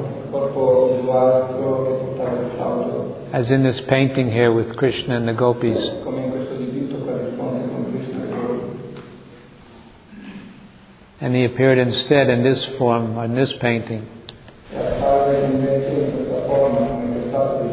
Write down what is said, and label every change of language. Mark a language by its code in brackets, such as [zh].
[it] Corpo bluastro che portava il flauto. [en] As in this painting here with Krishna and the gopis. [it] Come in questo dipinto corrisponde con Krishna e loro. [en] And he appeared instead in this form, in this painting. [it] E apparve invece in questa forma, come in questa